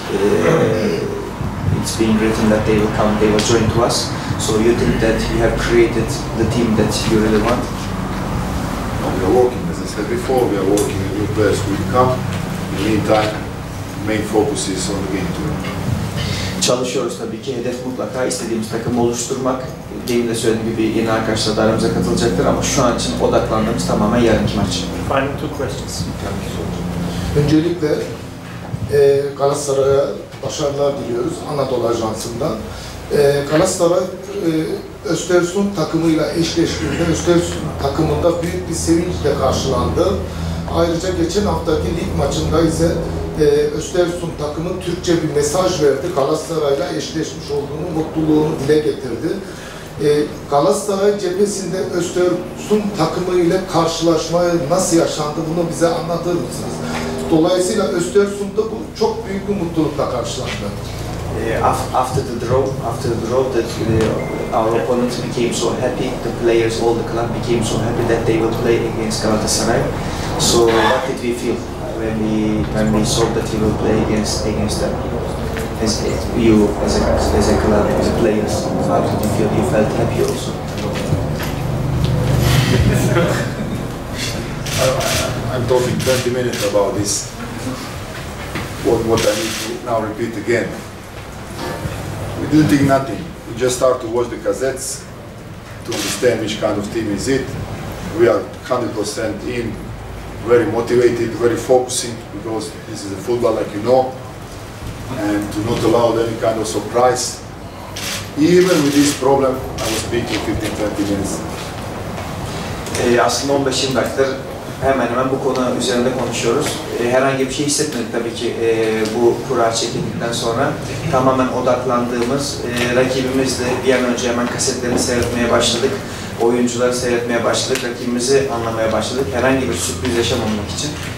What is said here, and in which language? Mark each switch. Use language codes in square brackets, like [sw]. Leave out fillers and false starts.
[en] It's been written that they will come, they will join to us. So you think that you have created the team that you really want? We are working, as I said before, we are working with the players who will come. In the meantime, main focus is on the game tour. [tr] Çalışıyoruz tabii ki. Hedef mutlaka istediğimiz takımı oluşturmak. Demin de söylediğim gibi yeni arkadaşlar da aramıza katılacaktır ama şu an için odaklandığımız tamamen yarınki maç. [en] Final two questions. [tr] Öncelikle Galatasaray'a başarılar diliyoruz Anadolu Ajansı'ndan. Galatasaray Östersund takımıyla eşleştiğinde Östersund takımında büyük bir sevinçle karşılandı. Ayrıca geçen haftaki lig maçında ise Östersund takımı Türkçe bir mesaj verdi. Galatasaray'la eşleşmiş olduğunu, mutluluğunu dile getirdi. Galatasaray cephesinde Östersund takımı ile karşılaşmayı nasıl yaşandı? Bunu bize anlatır mısınız? Dolayısıyla Östersund'da bu çok büyük bir mutlulukla karşılaştı. [en] After the draw, that our opponents became so happy, the players, all the club became so happy that they would play against Galatasaray. So what did we feel when we saw that he will play against them? As a club, as players, how did you feel? You felt happy also. I'm talking 20 minutes about this. What I need to now repeat again. We didn't think nothing. We just start to watch the cassettes to understand which kind of team is it. We are 100% in, very motivated, very focusing, because this is a football like you know, and to not allow any kind of surprise. Even with this problem, I was speaking 15-20 minutes. [tr] Aslında 15 dakikadır hemen hemen bu konu üzerinde konuşuyoruz. Herhangi bir şey hissetmedik tabii ki bu kura çekildikten sonra. Tamamen odaklandığımız rakibimizle bir an önce hemen kasetlerini seyretmeye başladık. Oyuncuları seyretmeye başladık, rakibimizi anlamaya başladık. Herhangi bir sürpriz yaşamamak için.